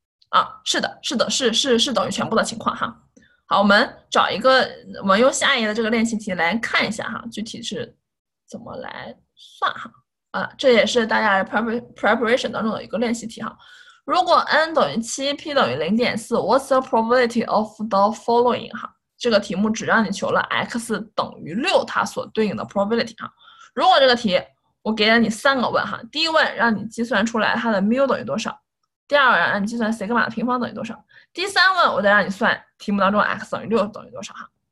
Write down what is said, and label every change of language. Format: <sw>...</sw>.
<zh>啊，是的，是等于全部的情况哈。好，我们找一个，我们用下一页的这个练习题来看一下哈，具体是怎么来算哈。啊，这也是大家 preparation 当中的一个练习题哈。如果 n 等于 7，p 等于 0.4，</zh> <en>What's the probability of the following？</en> <zh>哈，这个题目只让你求了 x 等于6，它所对应的 probability 哈。如果这个题我给了你三个问哈，第一问让你计算出来它的 mu 等于多少，第二问让你计算 sigma 的平方等于多少，第三问我再让你算题目当中 x 等于6等于多少哈。</zh>